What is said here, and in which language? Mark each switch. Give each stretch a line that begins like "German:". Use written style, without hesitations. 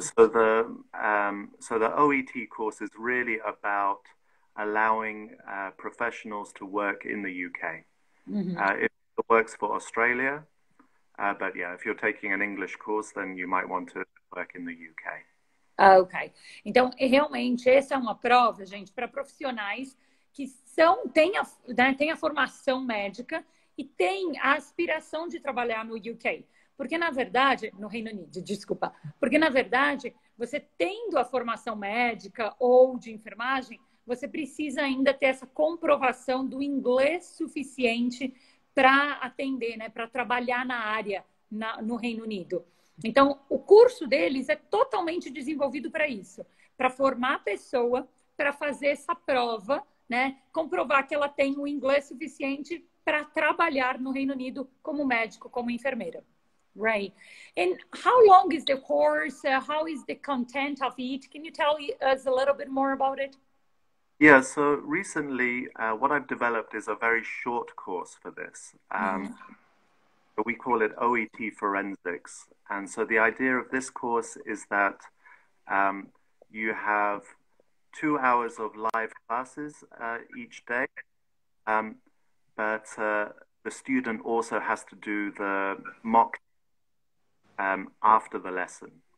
English: So the OET course is really about allowing professionals to work in the UK. Mm-hmm. It works for Australia, but yeah, if you're taking an English course, then you might want to work in the UK. Ok.
Portuguese: Então, realmente, essa é uma prova, gente, para profissionais que são, têm a formação médica e têm a aspiração de trabalhar no UK. Porque, na verdade, no Reino Unido, desculpa. Porque, na verdade, você tendo a formação médica ou de enfermagem, você precisa ainda ter essa comprovação do inglês suficiente para atender, né? Para trabalhar na área no Reino Unido. Então, o curso deles é totalmente desenvolvido para isso, para formar a pessoa, para fazer essa prova, né? Comprovar que ela tem o inglês suficiente para trabalhar no Reino Unido como médico, como enfermeira.
English: Right. And how long is the course? How is the content of it? Can you tell us a little bit more about it? Yeah, so recently what I've developed is a very short course for this. But we call it OET Forensics. And so the idea of this course is that you have 2 hours of live classes each day, but the student also has to do the mock after the lesson.